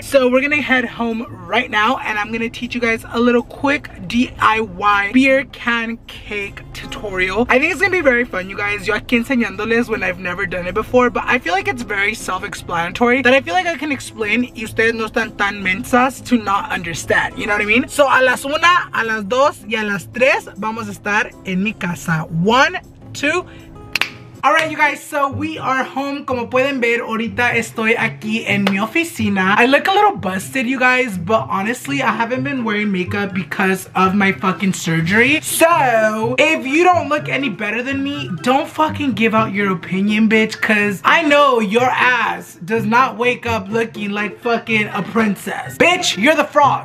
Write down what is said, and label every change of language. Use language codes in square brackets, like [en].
[en] So we're gonna head home right now and I'm gonna teach you guys a little quick DIY beer can cake tutorial. I think it's gonna be very fun, you guys. [es] Yo aquí enseñándoles [en] when I've never done it before, but I feel like it's very self-explanatory that I feel like I can explain [es] y ustedes no están tan mensas [en] to not understand, you know what I mean? [es] So a las una, a las dos, y a las tres vamos a estar en mi casa. [en] One, two. Alright, you guys, so we are home. [es] Como pueden ver, ahorita estoy aquí en mi oficina. [en] I look a little busted, you guys, but honestly, I haven't been wearing makeup because of my fucking surgery. So, if you don't look any better than me, don't fucking give out your opinion, bitch, because I know your ass does not wake up looking like fucking a princess. Bitch, you're the frog.